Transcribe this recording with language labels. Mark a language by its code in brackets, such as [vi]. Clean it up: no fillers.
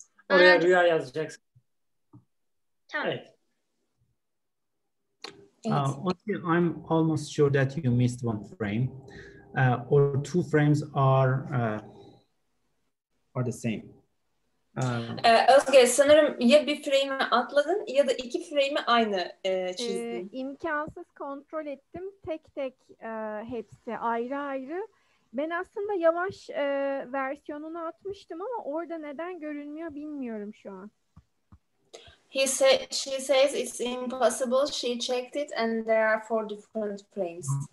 [tr] Oraya Rüya yazacaksın. Tamam. Evet. [en] Okay, I'm almost sure that you missed one frame, or two frames are the same. [tr] Özge, sanırım ya bir frame'i atladın ya da iki frame'i aynı çizdin. İmkansız kontrol ettim. Tek tek hepsi ayrı ayrı. Ben aslında yavaş versiyonunu atmıştım ama orada neden görünmüyor bilmiyorum şu an. [en] She says it's impossible. She checked it and there are four different frames.